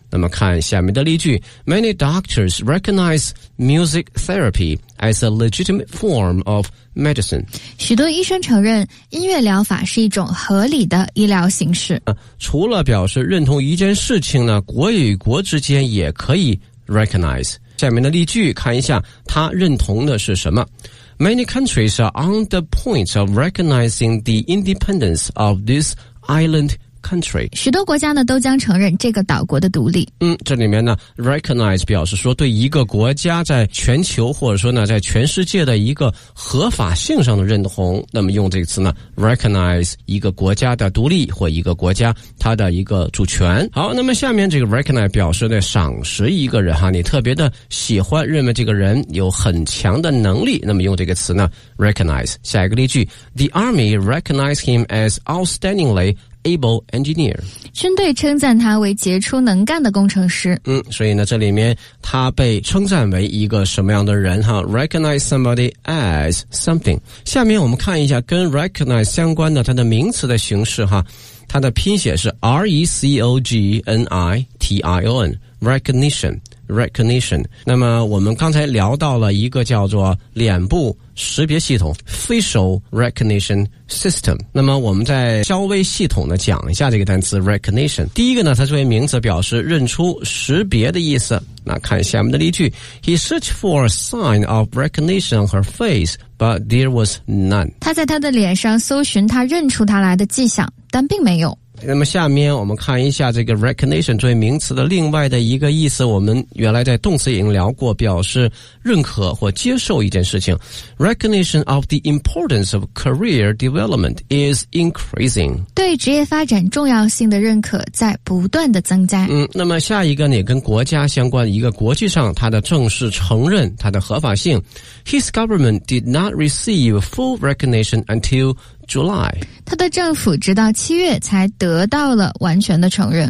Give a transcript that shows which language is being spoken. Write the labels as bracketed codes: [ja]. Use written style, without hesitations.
[zh] 那么看下面的例句， [en] Many doctors recognize music therapy as a legitimate form of medicine， [zh] 许多医生承认音乐疗法是一种合理的医疗形式。除了表示认同一件事情呢，国与国之间也可以 recognize。下面的例句看一下，他认同的是什么。 [en] Many countries are on the point of recognizing the independence of this island country. [zh] 许多国家呢都将承认这个岛国的独立。这里面呢 recognize 表示说对一个国家在全球或者说呢在全世界的一个合法性上的认同。那么用这个词呢 recognize 一个国家的独立或一个国家它的一个主权。好，那么下面这个 recognize 表示呢赏识一个人哈，你特别的喜欢，认为这个人有很强的能力，那么用这个词呢 recognize。下一个例句， [en] The army recognized him as outstandingly able engineer， [zh] 军队称赞他为杰出能干的工程师。所以呢这里面他被称赞为一个什么样的人哈？ [en] recognize somebody as something。 [zh] 下面我们看一下跟 recognize 相关的它的名词的形式哈，它的拼写是 R-E-C-O-G-N-I-T-I-O-N， recognition。 recognition， 那么我们刚才聊到了一个叫做脸部识别系统 facial recognition system。那么我们在稍微系统的讲一下这个单词 recognition。第一个呢，它作为名词表示认出识别的意思。那看下面的例句， [en] He searched for a sign of recognition on her face but there was none， [zh] 他在他的脸上搜寻他认出他来的迹象但并没有。那么下面我们看一下这个 recognition 作为名词的另外的一个意思，我们原来在动词已经聊过，表示认可或接受一件事情。 [en] Recognition of the importance of career development is increasing， [zh] 对职业发展重要性的认可在不断的增加。那么下一个呢，跟国家相关，一个国际上它的正式承认它的合法性。 [en] His government did not receive full recognition until July。 [zh] 他的政府直到七月才得到了完全的承认。